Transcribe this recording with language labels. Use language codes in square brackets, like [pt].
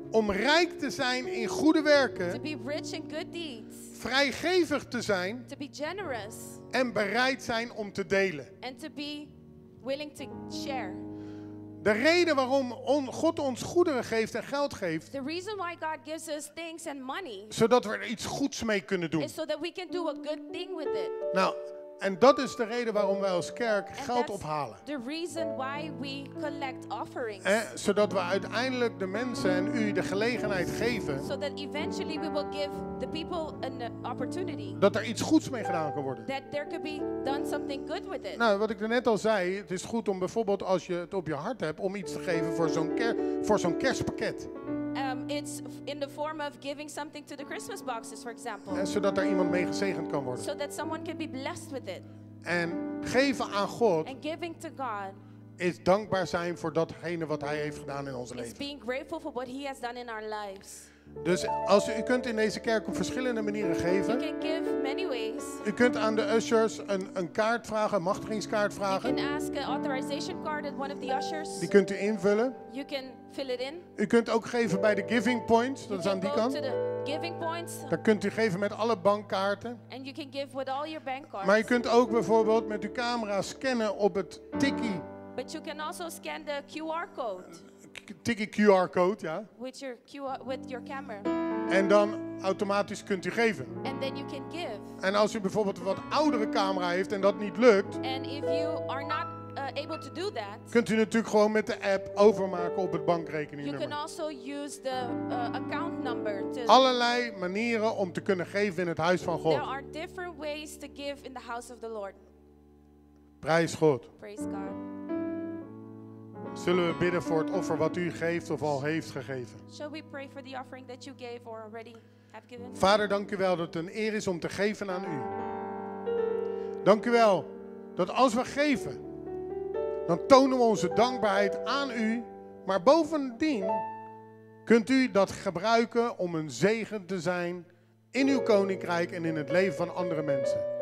[nl] Om rijk te zijn in goede werken. [en] To be rich in good deeds. [nl] Vrijgevig te zijn. [en] To be generous. [nl] En bereid zijn om te delen. [en] And to be willing to share. [nl] De reden waarom God ons goederen geeft en geld geeft. [en] The reason why God gives us things and money. [nl] Zodat we er iets goeds mee kunnen doen. [en] And so that we can do a good thing with it. [nl] Nou, en dat is de reden waarom wij als kerk geld ophalen. [en] The reason why we collect offerings. [nl] Zodat we uiteindelijk de mensen en u de gelegenheid geven. [en] So that eventually we will give the people an opportunity. [nl] Dat er iets goeds mee gedaan kan worden. [en] That there could be done something good with it. [nl] Nou, wat ik er net al zei, het is goed om bijvoorbeeld als je het op je hart hebt om iets te geven voor zo'n kerstpakket. [en] It's in the form of giving something to the Christmas boxes, for example. [nl] Zodat er iemand mee gezegend kan worden. [en] So that someone can be blessed with it. [nl] En geven aan God. [en] And giving to God. [nl] Is dankbaar zijn voor datgene wat Hij heeft gedaan in ons leven. [en] Is being grateful for what He has done in our lives. [nl] Dus als u kunt in deze kerk op verschillende manieren geven. [en] You can give many ways. [nl] U kunt aan de ushers een kaart vragen, een machtigingskaart vragen. [en] You can ask an authorization card at one of the ushers. [nl] Die kunt u invullen. [en] You can fill it in. [nl] U kunt ook geven bij de giving points, dat [en] you [nl] is aan die kant. [en] To the giving points. [nl] Daar kunt u geven met alle bankkaarten. [en] And you can give with all your bank cards. [nl] Maar u kunt ook bijvoorbeeld met uw camera scannen op het tikkie. [en] But you can also scan the QR code. [nl] Tikkie QR code, ja. [en] With your camera. [nl] En dan automatisch kunt u geven. [en] And then you can give. [nl] En als u bijvoorbeeld een wat oudere camera heeft en dat niet lukt. [en] And if you are not able to do that. [nl] Kunt u natuurlijk gewoon met de app overmaken op het bankrekeningnummer. [en] You can also use the account number to. [nl] Allerlei manieren om te kunnen geven in het huis van God. [en] There are different ways to give in the house of the Lord. [nl] Prijs God. [en] Praise God. [nl] Zullen we bidden voor het offer wat u geeft of al heeft gegeven? [en] Shall we pray for the offering that you gave or already have given? [nl] Vader, dank u wel dat het een eer is om te geven aan u. Dank u wel dat als we geven, dan tonen we onze dankbaarheid aan u. Maar bovendien kunt u dat gebruiken om een zegen te zijn in uw koninkrijk en in het leven van andere mensen.